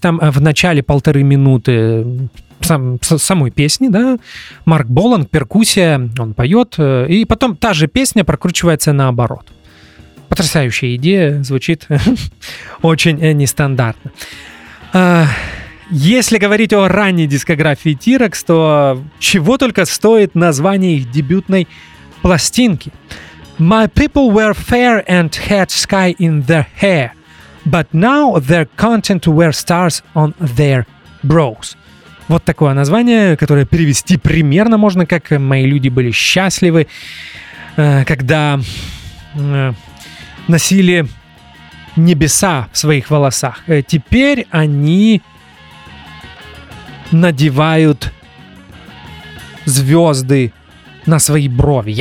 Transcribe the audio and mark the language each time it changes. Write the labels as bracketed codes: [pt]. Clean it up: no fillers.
[ru] Там в начале полторы минуты самой песни, да, Марк Болан, перкуссия, он поет, и потом та же песня прокручивается наоборот. Потрясающая идея, звучит очень нестандартно. Если говорить о ранней дискографии T-Rex, то чего только стоит название их дебютной пластинки. [en] My people were fair and had sky in their hair, but now they're content to wear stars on their brows. [ru] Вот такое название, которое перевести примерно можно, как мои люди были счастливы, когда носили небеса в своих волосах. Теперь они надевают звезды на свои брови.